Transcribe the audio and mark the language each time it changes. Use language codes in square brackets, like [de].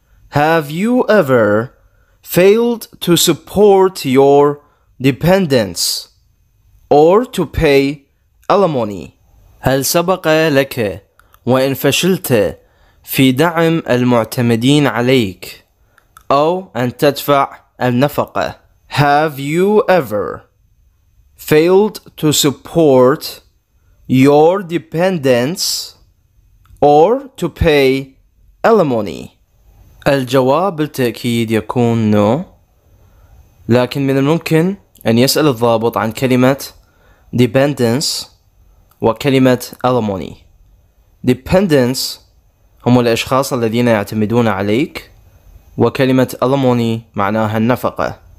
[en] Have you ever failed to support your dependents or to pay alimony? [ar] هل سبق لك وإن فشلت في دعم المعتمدين عليك أو أن تدفع النفقة؟ [en] Have you ever failed to support your dependents or to pay alimony? [ar] الجواب بالتأكيد يكون no. لكن من الممكن أن يسأل الضابط عن كلمة dependence وكلمة alimony. Dependence هم الأشخاص الذين يعتمدون عليك وكلمة alimony معناها النفقة.